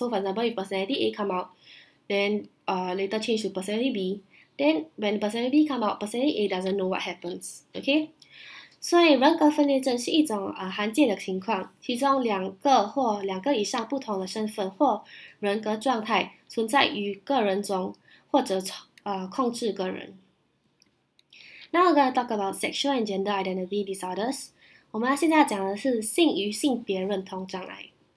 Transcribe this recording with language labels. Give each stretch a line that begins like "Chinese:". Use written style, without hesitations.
English: So for example, if personality A come out, then later change to personality B, then when personality B come out, personality A doesn't know what happens.
Chinese: Okay, 所以人格分裂症是一种罕见的情况，其中两个或两个以上不同的身份或人格状态存在于个人中或者控制个人。
English: Now we're going to talk about sexual and gender identity disorders.
Chinese: 我们现在讲的是性与性别认同障碍。